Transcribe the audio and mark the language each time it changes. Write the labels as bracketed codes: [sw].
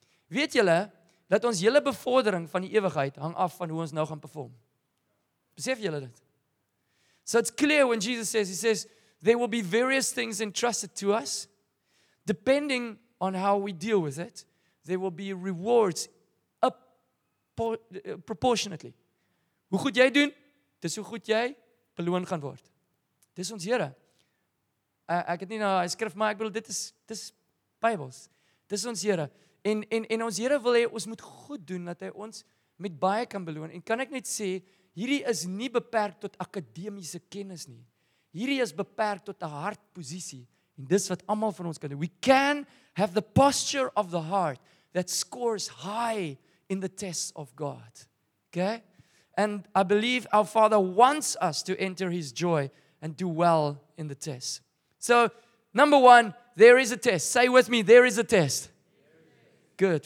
[af] Weet julle, dat ons hele bevordering van die ewigheid hang af van hoe ons nou gaan perform. Besef julle dit? [en] So it's clear when Jesus says, He says, there will be various things entrusted to us. Depending on how we deal with it, there will be rewards proportionately. [af] Hoe goed jy doen, dis hoe goed jy beloon gaan word. Dis ons Here. Ek het nie nou hy skrif, maar ek bedoel, dis Bybels. Dis ons Here. En ons Here wil hê, ons moet goed doen, dat hy ons met baie kan beloon. En kan ek net sê, hierdie is nie beperk tot akademiese kennis nie. Hierdie is beperk tot 'n hartposisie. En dis wat almal van ons kan doen. [en] We can have the posture of the heart that scores high in the tests of God. Okay? And I believe our Father wants us to enter His joy and do well in the test. So, number one, there is a test. Say with me, there is a test. Good.